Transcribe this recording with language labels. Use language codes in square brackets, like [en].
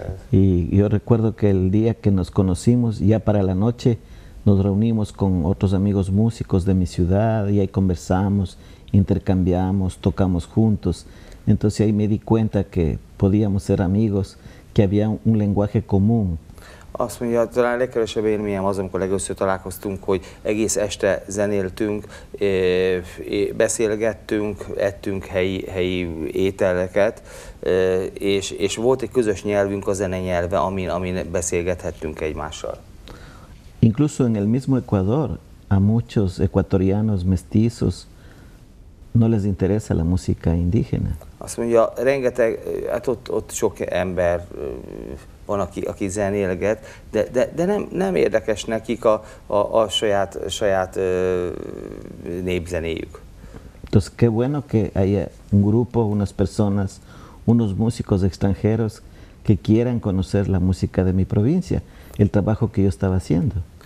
[es] Y yo recuerdo que el día que nos conocimos, ya para la noche, nos reunimos con otros amigos músicos de mi ciudad y ahí conversamos, intercambiamos, tocamos juntos. Entonces ahí me di cuenta que podíamos ser amigos, que había un lenguaje común. [hu] Azt mondja, talán a legkevesebb élményem az, amikor legelőször találkoztunk, hogy egész este zenéltünk, beszélgettünk, ettünk helyi ételeket, és volt egy közös nyelvünk, a zene nyelve, amin beszélgethettünk egymással. [es] Incluso en el mismo Ecuador, a muchos ecuatorianos mestizos no les interesa la música indígena. [hu] Azt mondja, rengeteg, hát ott sok ember van, aki zenélget, de nem érdekes nekik a saját népzenéjük. [es] Entonces, qué bueno que haya un grupo, unas personas, unos músicos extranjeros que quieran conocer la música de mi provincia, el trabajo que yo estaba haciendo.